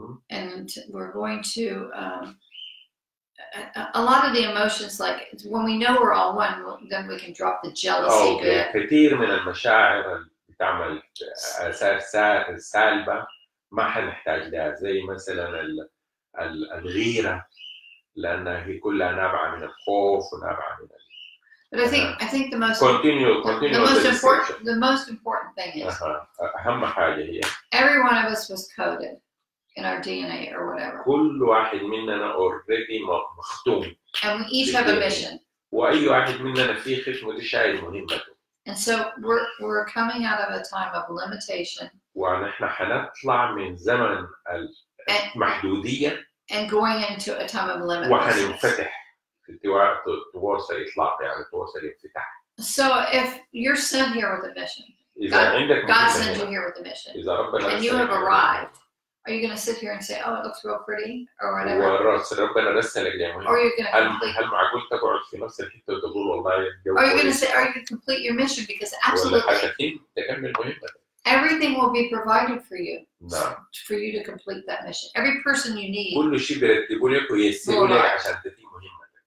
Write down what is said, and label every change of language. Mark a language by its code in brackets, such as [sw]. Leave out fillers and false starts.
[en] And we're going to a lot of the emotions, like when we know we're all one, then we can drop the jealousy. Okay. [ar] كثير من المشاعر اللي بتعمل آثار سلبة ما حد محتاج لها، زي مثلا الغيرة لأنها كلها نابعة من الخوف ونابعة من ال... [en] But I think the most continue the most important thing is [ar] أهم حاجة هي [en] every one of us was coded in our DNA or whatever. [ar] كل واحد مننا already مختوم. [en] And we each have a mission. [ar] وأي واحد مننا فيه خشمه دي شايل مهمته. [en] And so we're coming out of a time of limitation. [ar] ونحن حنطلع من زمن المحدودية. [en] And going into a time of limitation. [ar] وحنفتح. توصل إطلاق يعني توصل إفتتاح. [en] So if you're sent here with a mission, God sent you here with a mission, [ar] إذا ربنا [en] and you have arrived, are you going to sit here and say, oh, it looks real pretty or whatever? [ar] وراء ربنا رسلك يعني. [en] Or are you going to complete? [ar] هل معقول تقعد في نفس الحتة وتقول والله يوم. [en] Are you going to say, are you going to complete your mission? Because absolutely. Everything will be provided for you for you to complete that mission. Every person you need. [ar] كل شيء برتبوا لك ويسيروا لك عشان تتم مهمة.